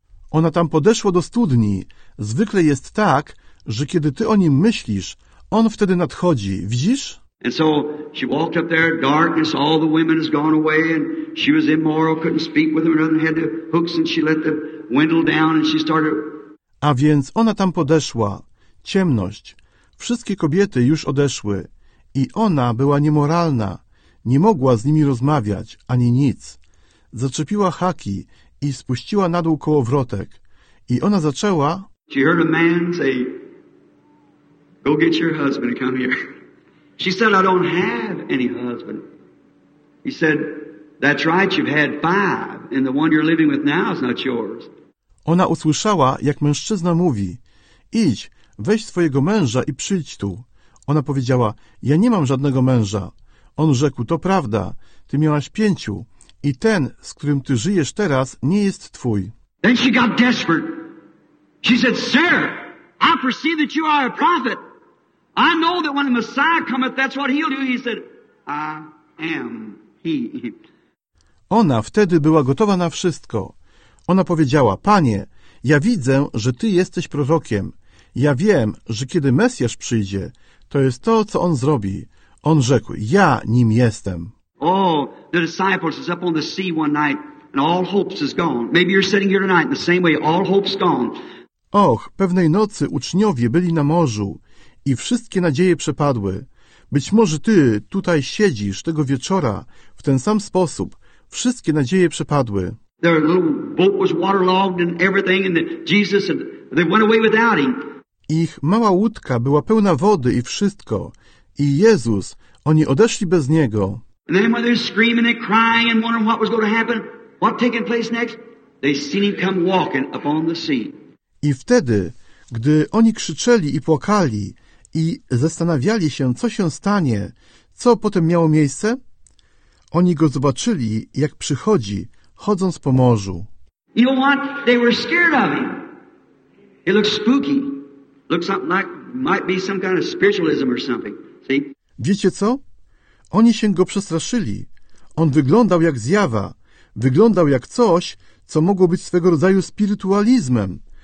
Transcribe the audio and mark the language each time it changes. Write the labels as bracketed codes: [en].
[pl] Ona tam podeszła do studni. Zwykle jest tak, że kiedy ty o nim myślisz, on wtedy nadchodzi. Widzisz? [en] And so she walked up there, darkness, all the women has gone away, and she was immoral, couldn't speak with them, another had the hooks, and she let the window down, and she started. [pl] A więc ona tam podeszła. Ciemność. Wszystkie kobiety już odeszły i ona była niemoralna, nie mogła z nimi rozmawiać, ani nic. Zaczepiła haki i spuściła na dół kołowrotek. I ona zaczęła... [en] She heard a man say, go get your husband and come here. She said, I don't have any husband. He said, that's right, you've had five, and the one you're living with now is not yours. [pl] Ona usłyszała, jak mężczyzna mówi, idź, weź swojego męża i przyjdź tu. Ona powiedziała, ja nie mam żadnego męża. On rzekł, to prawda, ty miałaś pięciu i ten, z którym ty żyjesz teraz, nie jest twój. [en] Then she got desperate. She said, sir, I perceive that you are a prophet. I know that when the Messiah cometh, that's what he'll do. He said, I am he. [pl] Ona wtedy była gotowa na wszystko. Ona powiedziała, panie, ja widzę, że ty jesteś prorokiem. Ja wiem, że kiedy Mesjasz przyjdzie, to jest to, co on zrobi. On rzekł, ja nim jestem. [en] Oh, the disciples is up on the sea one night and all hopes is gone. Maybe you're sitting here tonight the same way, all hopes gone. [pl] Och, pewnej nocy uczniowie byli na morzu i wszystkie nadzieje przepadły. Być może ty tutaj siedzisz tego wieczora w ten sam sposób. Wszystkie nadzieje przepadły. [en] Their little boat was waterlogged and everything and Jesus and they went away without him. [pl] Ich mała łódka była pełna wody i wszystko. I Jezus, oni odeszli bez Niego. [en] And then when they're screaming and crying and wondering what was going to happen, what taking place next, they seen him come walking upon the sea. [pl] I wtedy, gdy oni krzyczeli i płakali i zastanawiali się, co się stanie, co potem miało miejsce, oni Go zobaczyli, jak przychodzi, chodząc po morzu. [en] You know what? They were scared of him. He looked spooky. Looks something like might be some kind of spiritualism or something. See? [pl] Wiecie co? Oni się go przestraszyli. On wyglądał jak zjawa. Wyglądał jak coś, co mogło być swego rodzaju spiritualizmem.